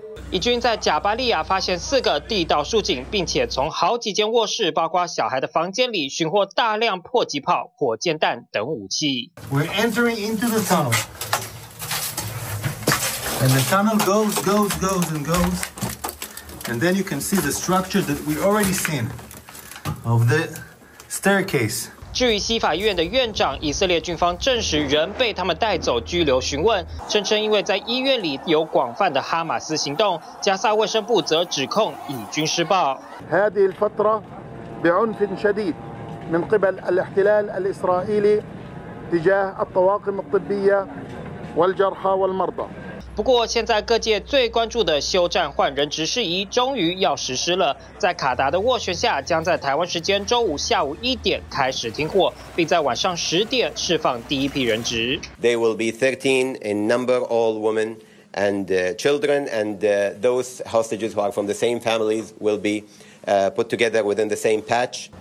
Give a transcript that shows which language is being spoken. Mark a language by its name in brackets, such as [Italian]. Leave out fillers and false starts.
[Chinese] 以军在贾巴利亚发现4个地道竖井，并且从好几间卧室，包括小孩的房间里，寻获大量迫击炮、火箭弹等武器。 [English] We're entering into the tunnel, and the tunnel goes, goes, goes, and goes, and then you can see the structure that we already seen of the staircase. [Chinese] 至于西法院的院长，以色列军方证实人被他们带走拘留询问，声称因为在医院里有广泛的哈马斯行动。加萨卫生部则指控以军施暴。 [Arabic] هذه الفترة بعنف شديد من قبل الاحتلال الإسرائيلي تجاه الطواقم الطبية والجرحى والمرضى。 [Chinese] 不过现在各界最关注的休战换人质事宜终于要实施了，在卡达的斡旋下，将在台湾时间周五下午1点开始停火，并在晚上10点释放第一批人质。 [English] They will be 13 in number, all women and children, and those hostages who are from the same families will be put together within the same patch.